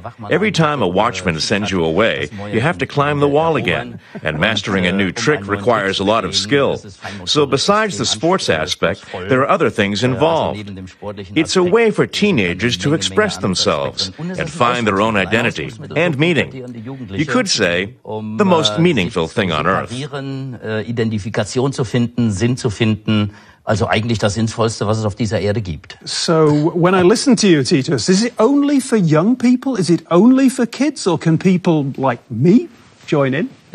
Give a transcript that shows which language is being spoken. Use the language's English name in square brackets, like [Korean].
[English] Every time a watchman sends you away, you have to climb the wall again, and mastering a new trick requires a lot of skill. So besides the sports aspect, there are other things involved. It's a way for teenagers to express themselves and find their own identity and meaning. You could say the most meaningful thing on earth. [German] Identifikation zu finden, Sinn zu finden, also eigentlich das Sinnvollste, was es auf dieser Erde gibt. [English] So, when I listen to you, Titus, is it only for young people? Is it only for kids? Or can people like me join in?